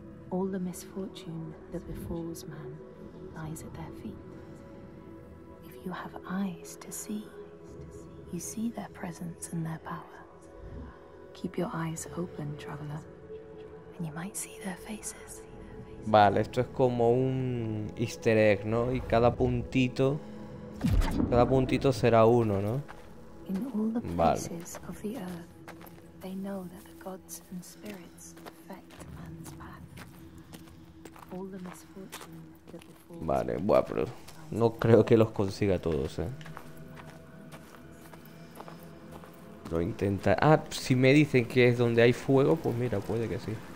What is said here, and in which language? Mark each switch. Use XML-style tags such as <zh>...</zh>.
<en>All the misfortune that befalls man lies at their feet. If you have eyes to see, you see their presence and their power. Keep your eyes open, traveler, and you might see their faces.</en> <es>Vale, esto es como un easter egg, ¿no? Y cada puntito será uno, ¿no?</es> <en>In all the places of the earth, they know that the gods and spirits affect man's path. All the misfortune that befalls.</en> <es>Vale, bueno, pero no creo que los consiga todos, ¿eh? Lo intenta. Ah, si me dicen que es donde hay fuego, pues mira, puede que sí.</es>